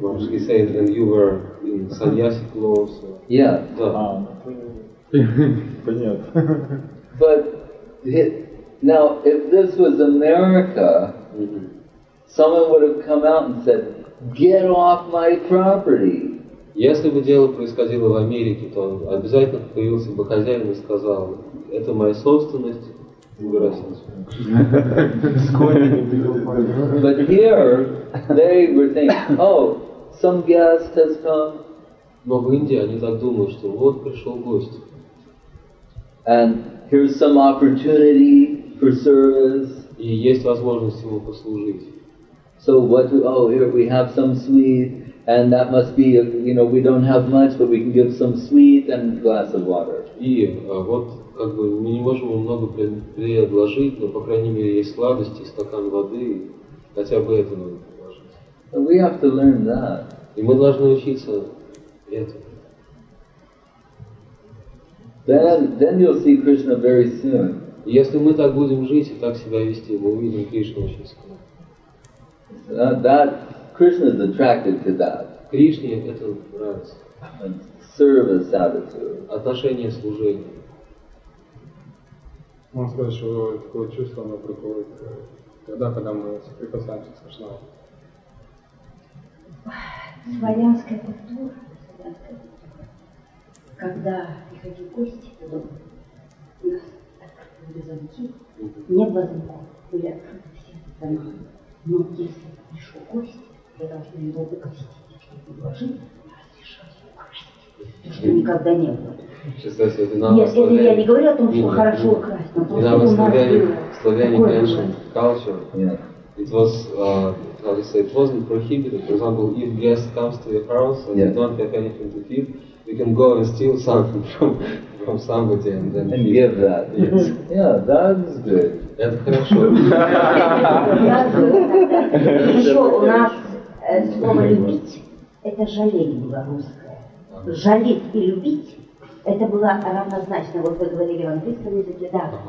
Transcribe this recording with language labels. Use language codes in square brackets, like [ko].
[en] He said, and you were in Саньяси clothes. Yeah. [ru] Понятно. [en] But now, if this was America, someone would have come out and said, "Get off my property." [ru] Если бы дело происходило в Америке, то обязательно появился бы хозяин и сказал: это моя собственность, [en] But here they were thinking, oh, some guest has come. [ru] Но в Индии они так думают, что вот пришел гость. [en] And here's some opportunity for service. [ru] И есть возможность ему послужить. [en] So what do, oh, here we have some sweet, and that must be, you know, we don't have much, but we can give some sweet and a glass of water. [ru] И вот как бы мы не можем ему много предложить, но по крайней мере есть сладости, стакан воды, хотя бы это надо предложить. [en] And we have to learn that. [ru] И мы должны учиться этому. [en] Then you'll see Krishna very soon. [ru] Если мы так будем жить и так себя вести, мы увидим Кришну очень скоро. [en] That Krishna is attracted to that. [ru] Кришне это нравится. [en] And service attitude. [ru] Отношение служения. Можно сказать, что такое чувство оно приходит тогда, когда мы соприкасаемся с Кришной. Своя культура. Когда приходили гости, то у нас открыли замки, не было замков, были открыты все дома. Но если пришел гость, то должны его выгостить, чтобы уложить, разрешать его украсть, что никогда не было. Сейчас, я не говорю о том, что хорошо украсть, но просто у нас [en] Славяне, it wasn't prohibited. For example, if guests come to your house and you don't have anything to give, you can go and steal something from somebody and then and give that. Yes. Yeah, that is good. [ru] Это хорошо. Еще у нас слово «любить» — это жалеть было русское. Жалеть и любить — это было равнозначно. Вот вы говорили в английском языке, да.